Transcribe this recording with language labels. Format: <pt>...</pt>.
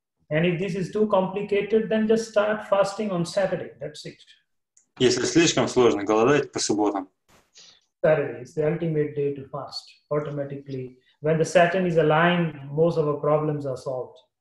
<en>And if this is too complicated, then just start fasting on Saturday. That's it.</en> <ru>Если слишком сложно, голодайте по субботам.</ru> <en>Saturday is the ultimate day to fast. Automatically, when the Saturn is aligned, most of our problems are solved.</en>